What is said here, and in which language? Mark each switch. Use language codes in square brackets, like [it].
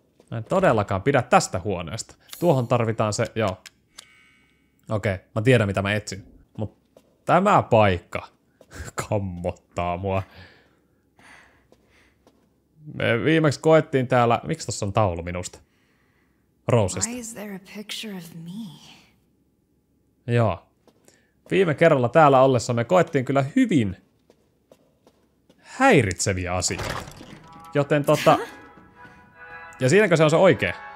[fi] Mä en todellakaan pidä tästä huoneesta. Tuohon tarvitaan se, joo. Okei, mä tiedän mitä mä etsin. Mut tämä paikka kammottaa mua. Me viimeksi koettiin täällä, miksi tossa on taulu minusta? Rosesta. [en] Why is there a picture of me? [fi] Joo. Viime kerralla täällä ollessa me koettiin kyllä hyvin häiritseviä asioita. Joten ja siinäkö se on se oikee?